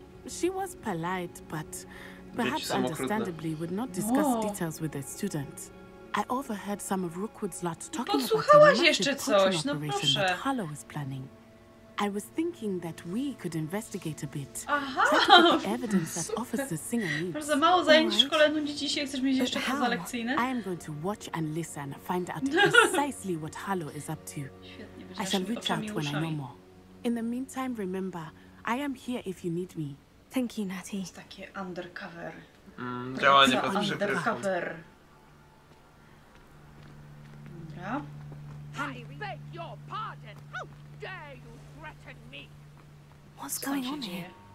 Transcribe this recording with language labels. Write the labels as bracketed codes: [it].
[en] She was polite, but perhaps understandably would not discuss details with a student. I overheard some of Rookwood's lot talking about the operation that Harlow is planning. I was thinking that we could investigate a bit. Aha! Evidence that officer Singer needs. [pl] Bardzo mało zajęć w szkole nudzi ci się, chcesz mieć jeszcze poza lekcyjne? [en] I am going to watch and listen, find out precisely what Harlow is up to. I shall reach out when I know more. In the meantime, remember, I am here if you need me. Thank you, Natty. [pl] To jest takie undercover. Działanie pod przykrywką. Dobra. [en] I beg your pardon! How dare you! What's going on here?